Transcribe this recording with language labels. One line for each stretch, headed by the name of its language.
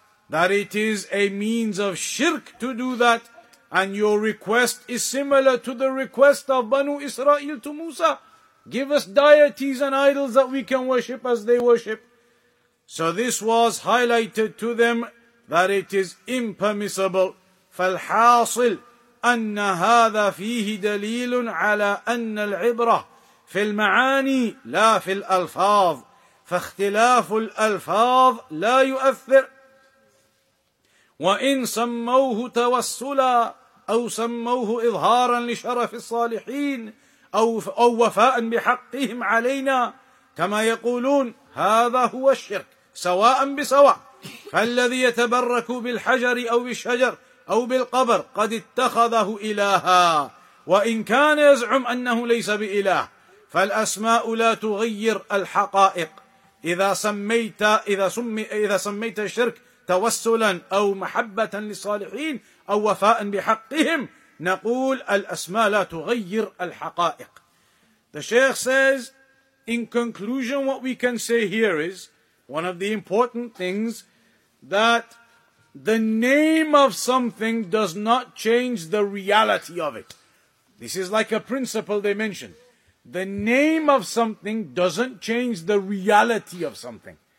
English: that it is a means of shirk to do that, and your request is similar to the request of Banu Israel to Musa. Give us deities and idols that we can worship as they worship. So this was highlighted to them that it is impermissible.
Arabic: فالحاصل أن هذا فيه دليل على أن العبرة في المعاني لا في الألفاظ فاختلاف الألفاظ لا يؤثر وإن سموه توسلا أو سموه إظهارا لشرف الصالحين أو وفاء بحقهم علينا كما يقولون هذا هو الشرك سواء بسواء فالذي يتبرك بالحجر أو بالشجر أو بالقبر قد اتخذه إلها وإن كان يزعم أنه ليس بإله فالأسماء لا تغير الحقائق إذا سميت الشرك توسلا أو محبة للصالحين أو وفاء بحقهم نقول الأسماء لا تغير الحقائق.
English: The Sheikh says, in conclusion, what we can say here is one of the important things, that the name of something does not change the reality of it. This is like a principle they mentioned. The name of something doesn't change the reality of something.